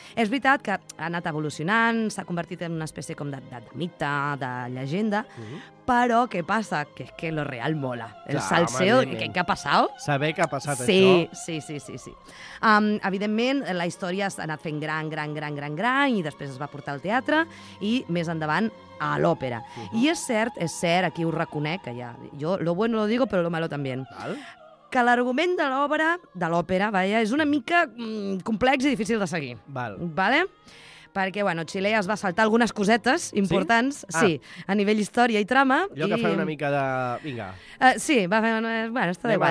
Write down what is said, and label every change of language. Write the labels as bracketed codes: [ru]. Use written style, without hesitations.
[ca] És veritat que ha anat evolucionant, s'ha convertit en una espècie com de mite, de llegenda, però què passa? Que lo real mola. El salseo, què ha passat? Saber què ha passat, sí, això. Sí, sí, sí, sí. Evidentment, la història s'ha anat fent gran, i després es va portar al teatre, i més endavant a l'òpera. I és cert, aquí ho reconec, que ja, jo [es] lo bueno lo digo, pero lo malo también. [ca] Que l'argument de l'obra, de l'òpera, vaja, és una mica complex i difícil de seguir. Val. Vale? Perquè, bueno, Xile es va saltar algunes cosetes importants, sí, a nivell història i trama. Allò i... que fa una mica de... Vinga. Sí, va fer... Bueno, està d'igual.